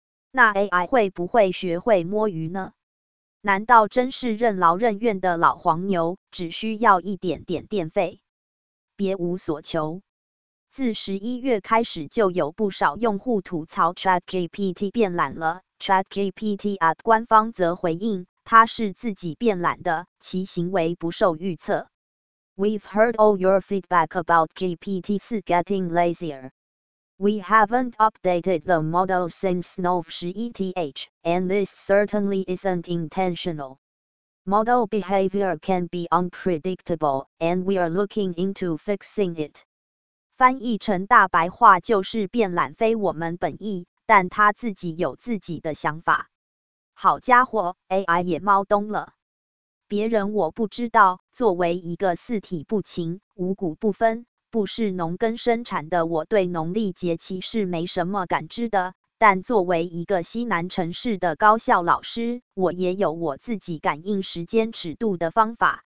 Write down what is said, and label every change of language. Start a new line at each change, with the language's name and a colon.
Chinese: 那 AI 会不会学会摸鱼呢？难道真是任劳任怨的老黄牛，只需要一点点电费，别无所求？自11月开始，就有不少用户吐槽 ChatGPT 变懒了。 ChatGPT App 官方则回应，他是自己变懒的，其行为不受预测。
English: We've heard all your feedback about GPT-4 getting lazier. We haven't updated the model since Nov.11th, and this certainly isn't intentional. Model behavior can be unpredictable, and we are looking into fixing it.
Chinese: 翻译成大白话就是变懒非我们本意。但他自己有自己的想法。好家伙， AI 也猫冬了。别人我不知道，作为一个四体不勤、五谷不分、不是农耕生产的我，对农历节气是没什么感知的，但作为一个西南城市的高校老师，我也有我自己感应时间尺度的方法。